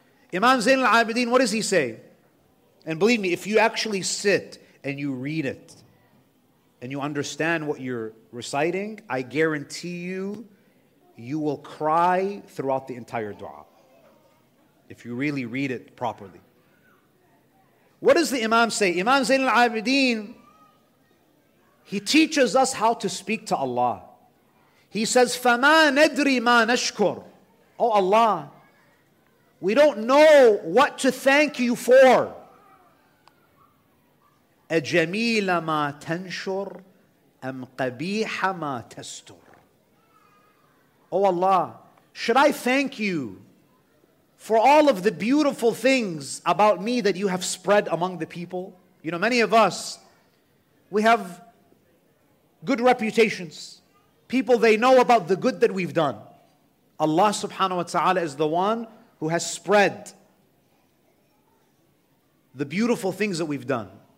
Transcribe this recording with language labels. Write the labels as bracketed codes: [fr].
[en] Imam Zain al-Abidin, what does he say? And believe me, if you actually sit and you read it, and you understand what you're reciting, I guarantee you, you will cry throughout the entire dua. If you really read it properly. What does the Imam say? Imam Zain al-Abidin, he teaches us how to speak to Allah. He says, [ar] فَمَا نَدْرِي مَا نَشْكُرُ. [en] Oh Allah, we don't know what to thank you for. [ar] أَجَمِيلَ مَا تَنْشُرْ أَمْ قَبِيحَ مَا تَسْتُرْ. [en] Oh Allah, should I thank you for all of the beautiful things about me that you have spread among the people? You know, many of us, we have good reputations. People, they know about the good that we've done. Allah subhanahu wa ta'ala is the one who has spread the beautiful things that we've done.